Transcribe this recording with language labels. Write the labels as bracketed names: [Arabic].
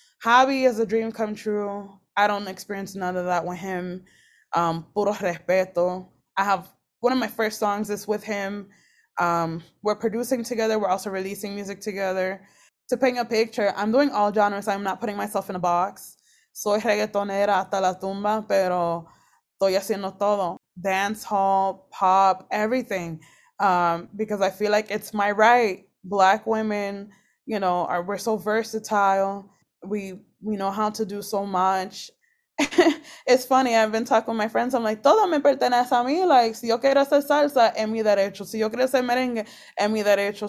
[English] Javi is a dream come true. I don't experience none of that with him. [Spanish] Puro respeto. [English] I have one of my first songs is with him. We're producing together. We're also releasing music together. To paint a picture, I'm doing all genres. I'm not putting myself in a box. [Spanish] Soy reggaetonera hasta la tumba, pero estoy haciendo todo. [English] Dance hall, pop, everything. Because I feel like it's my right. Black women, you know, we're so versatile. We know how to do so much. It's funny, I've been talking with my friends. I'm like, [Spanish] todo me pertenece a mí. Like, si yo quiero hacer salsa, es mi derecho. Si yo quiero hacer merengue, es mi derecho.